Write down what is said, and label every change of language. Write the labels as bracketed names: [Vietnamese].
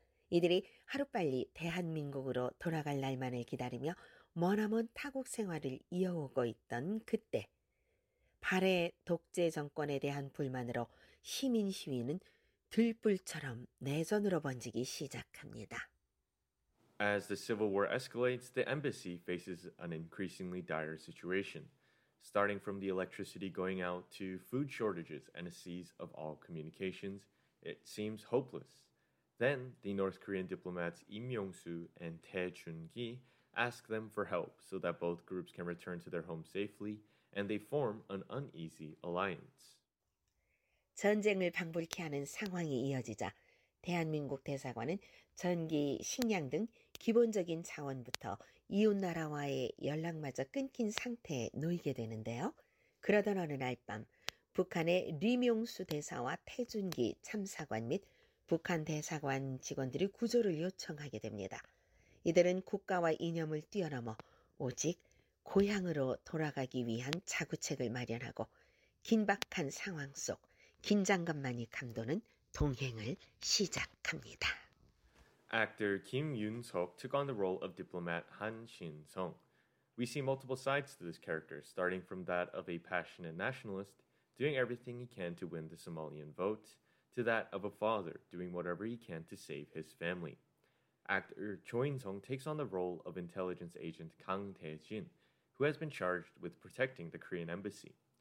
[Korean] 이들이 하루빨리 대한민국으로 돌아갈 날만을 기다리며 머나먼 타국 생활을 이어오고 있던 그때, 발해 독재 정권에 대한 불만으로 시민 시위는 들불처럼 내전으로 번지기 시작합니다. [English] As the civil war escalates, the embassy faces an increasingly dire situation, starting from the electricity going out to food shortages and a cease of all communications. It seems hopeless. Then the North Korean diplomats Lee Myung-soo and Tae Jun-gi ask them for help so that both groups can return to their home safely, and they form an uneasy alliance. [Korean] 전쟁을 방불케 하는 상황이 이어지자 대한민국 대사관은 전기, 식량 등 기본적인 자원부터 이웃나라와의 연락마저 끊긴 상태에 놓이게 되는데요. 그러던 어느 날 밤, 북한의 리명수 대사와 태준기 참사관 및 북한 대사관 직원들이 구조를 요청하게 됩니다. 이들은 국가와 이념을 뛰어넘어 오직 고향으로 돌아가기 위한 자구책을 마련하고 긴박한 상황 속 긴장감만이 감도는 동행을 시작합니다. [English] Actor Kim Yoon-seok took on the role of diplomat Han Shin-sung. We see multiple sides to this character, starting from that of a passionate nationalist, doing everything he can to win the Somalian vote, to that of a father, doing whatever he can to save his family. Actor Choi In-sung takes on the role of intelligence agent Kang Tae-jin, who has been charged with protecting the Korean embassy.